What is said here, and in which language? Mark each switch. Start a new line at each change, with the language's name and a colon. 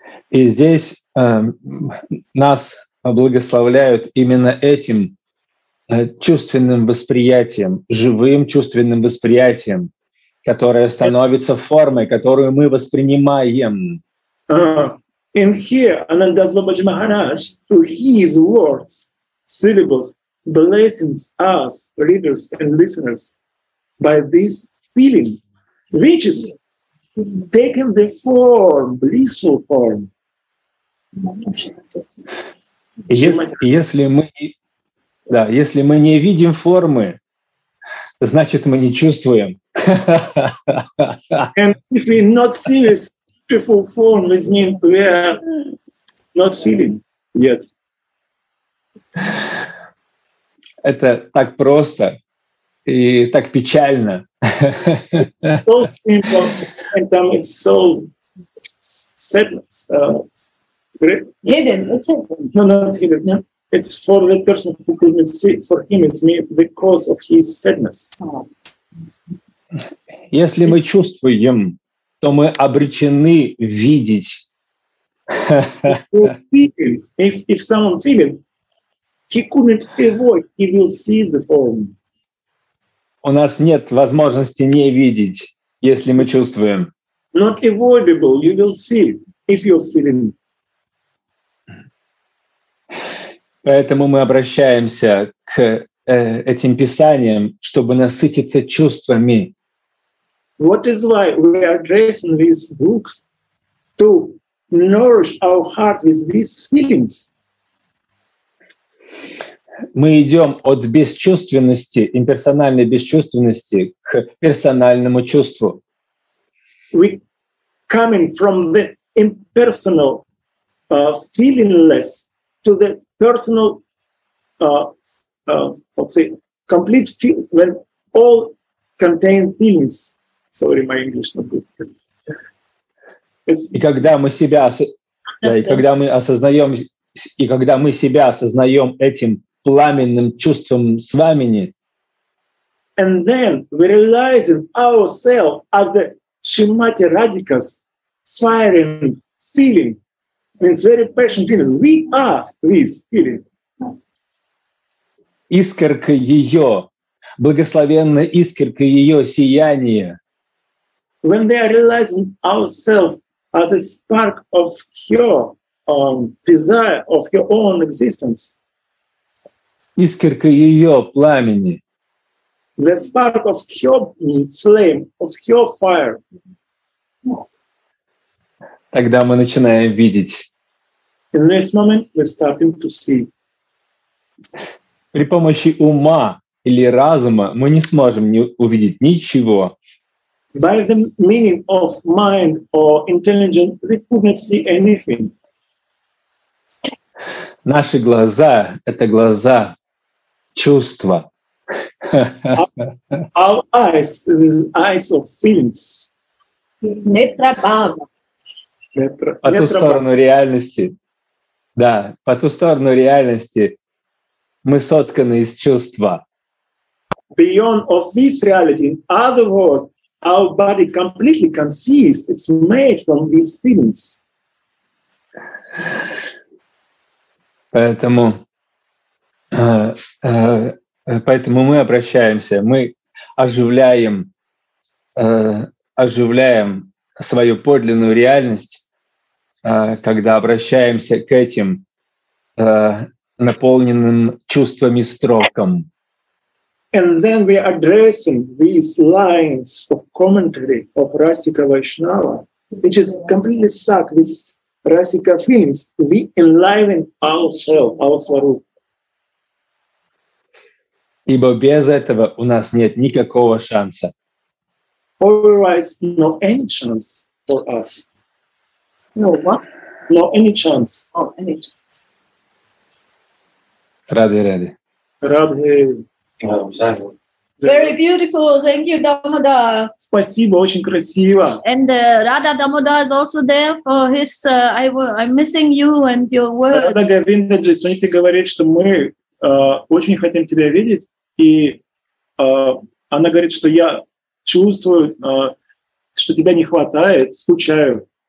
Russian: И здесь нас благословляют именно этим чувственным восприятием, живым чувственным восприятием, которое становится формой, которую мы воспринимаем.
English: And here Anandas Babaji Maharaj, through his words, syllables, blessings us, readers and listeners, by this feeling, which is taking the form, blissful form.
Russian: Если мы не видим формы, значит, мы не чувствуем.
English: And if we not see this beautiful form with him, we are not feeling yet.
Russian: Это так просто и так печально.
English: So simple, and then it's so sadness. Hidden, it's hidden. No, not hidden, no. It's for the person who couldn't see, for him it's me, the cause of his sadness.
Russian: Если мы чувствуем, то мы обречены видеть.
English: If someone feeling, he couldn't avoid, he will see the form.
Russian: У нас нет возможности не видеть, если мы чувствуем.
English: Not avoidable, you will see it, if you're feeling.
Russian: Поэтому мы обращаемся к этим писаниям, чтобы насытиться чувствами.
English: What is why we are addressing these books to nourish our heart with these feelings.
Russian: мы идем от бесчувственности, имперсональной бесчувственности, к персональному чувству.
English: We coming from the impersonal, feelingless to the personal, let's say, complete feel, when all contain feelings. Sorry, my English not good.
Russian: И когда мы себя осознаем этим пламенным чувством свамини,
English: and then we realize ourselves as the Shrimati Radhika's firing feeling, means very passionate feeling. We are this feeling.
Russian: Искорка ее, благословенная искорка ее сияния.
English: When they are realizing ourselves as a spark of her desire of her own existence.
Russian: Искорка ее пламени.
English: The spark of her flame, of her fire.
Russian: Тогда мы начинаем видеть.
English: In this moment we're starting to see.
Russian: При помощи ума или разума мы не сможем не увидеть ничего.
English: By the meaning of mind or intelligence, we could not see anything.
Russian: Наши глаза — это глаза чувства.
English: Our eyes — is eyes of feelings.
Sanskrit: Netra bhava.
Russian: По ту сторону реальности. Да, по ту сторону реальности мы сотканы из чувства.
English: Beyond of this reality, in other words, our body completely consists, it's made from these feelings.
Russian: Поэтому мы обращаемся, мы оживляем свою подлинную реальность, когда обращаемся к этим наполненным чувствами строкам.
English: And then we are addressing these lines of commentary of Rasika Vaishnava, which is completely stuck with Rasika feelings. We enliven ourselves, our Swarup.
Russian: Ибо без этого у нас нет никакого шанса.
English: Otherwise, no any chance for us. No what? No any chance. Oh, any chance. Radhe-radhe. Radhe. Very beautiful. Thank you, Damodar.
Russian: Спасибо, очень красиво.
English: And Radha Damodar is also there for his. I'm missing you and your words.
Russian: Radha Govindaji, Суньте говорит, что мы очень хотим тебя видеть, и она говорит, что я чувствую, что тебя не хватает, скучаю.